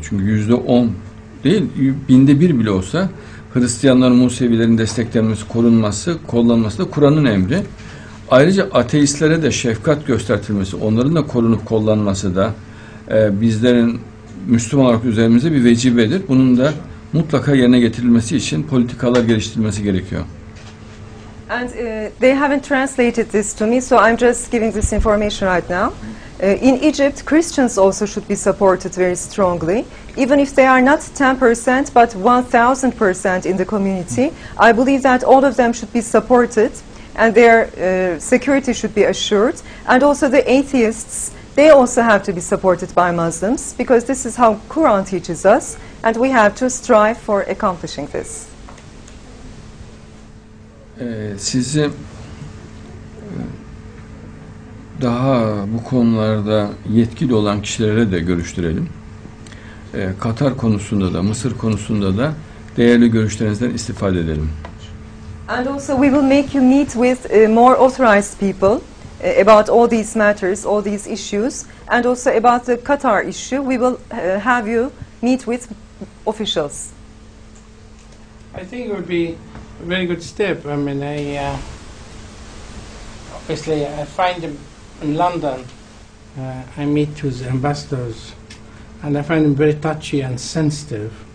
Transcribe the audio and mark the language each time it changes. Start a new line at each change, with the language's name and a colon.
Turkish: Çünkü %10 değil, binde bir bile olsa Hristiyanların, Musevilerin desteklenmesi, korunması, kollanması da Kur'an'ın emri. Ayrıca ateistlere de şefkat göstertilmesi, onların da korunup kollanması da bizlerin Müslüman olarak üzerimize bir vecibedir. Bunun da mutlaka yerine getirilmesi için politikalar geliştirilmesi gerekiyor.
English: And they haven't translated this to me, so I'm just giving this information right now. In Egypt, Christians also should be supported very strongly. Even if they are not 10%, but 1,000% in the community, I believe that all of them should be supported and their security should be assured. And also the atheists, they also have to be supported by Muslims, because this is how Quran teaches us, and we have to strive for accomplishing this.
Turkish: Sizi daha bu konularda yetkili olan kişilere de görüştürelim. Katar konusunda da, Mısır konusunda da değerli görüşlerinizden istifade edelim.
English: And also we will make you meet with more authorized people about all these matters, all these issues, and also about the Qatar issue. We will have you meet with officials. I think it would be a very good step. I mean, obviously, I find them in London, I meet with ambassadors, and I find them very touchy and sensitive.